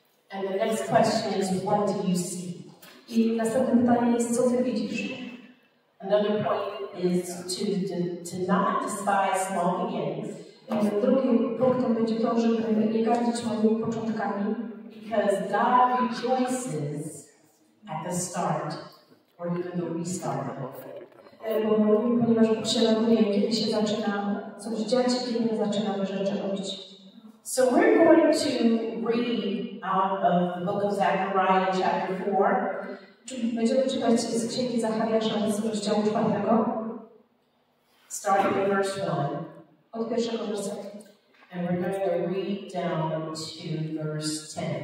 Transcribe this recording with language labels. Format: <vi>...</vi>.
<en>And the next question is, what do you see?</en> <pl>I następne pytanie jest, co ty widzisz?</pl> <en>Another point is to not despise small beginnings.</en> <pl>Drugim punktem będzie to, żeby nie gardzić małymi początkami.</pl> <en>Because God rejoices at the start, or even the restart of the whole thing.</en> <pl>Ponieważ prześladuje, kiedy się zaczyna coś dziać, kiedy zaczynamy rzeczy robić.</pl> <en>So we're going to read out of the book of Zechariah, chapter 4.</en> <pl>Będziemy czytać z księgi Zachariasza, z rozdziału 4.</pl> <en>Starting with verse 1.</en> <pl>Od pierwszego wersetu.</pl> <en>And we're going to read down to verse 10.</en>